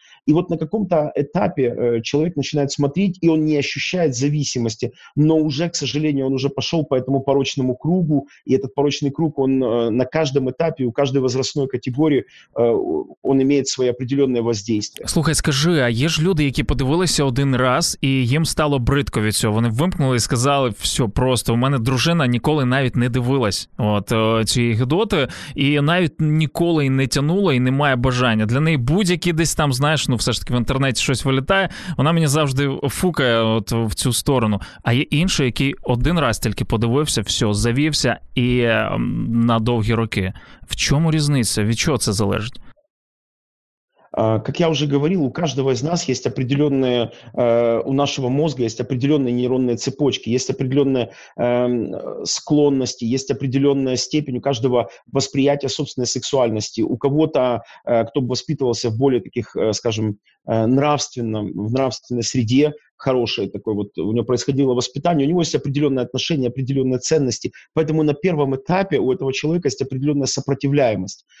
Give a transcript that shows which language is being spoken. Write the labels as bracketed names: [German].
[Russian] И вот на каком-то этапе человек начинает смотреть, и он не ощущает зависимости, но уже, к сожалению, он уже пошел по этому порочному кругу, и этот порочный круг, он на каждом этапе, у каждой возрастной категории, он имеет свои определенные воздействия. [Ukrainian] Слухай, скажи, а є ж люди, які подивилися один раз, і їм стало бридко від цього? Вони вимкнули і сказали, все, просто, у мене дружина ніколи навіть не дивилась от цієї гедоти, і навіть ніколи і не тянула, і немає бажання. Для неї будь-які десь там, знаєш, ну все ж таки в інтернеті щось вилітає, вона мені завжди фукає от в цю сторону. А є інший, який один раз тільки подивився, все, завівся, і на довгі роки. В чому різниця? Від чого це залежить? [Russian] Как я уже говорил, у каждого из нас есть определенные, у нашего мозга есть определенные нейронные цепочки, есть определенные склонности, есть определенная степень у каждого восприятия собственной сексуальности. У кого-то, кто бы воспитывался в более таких, скажем, нравственном, в нравственной среде, хорошее такое вот у него происходило воспитание, у него есть определенные отношения, определенные ценности, поэтому на первом этапе у этого человека есть определенная сопротивляемость.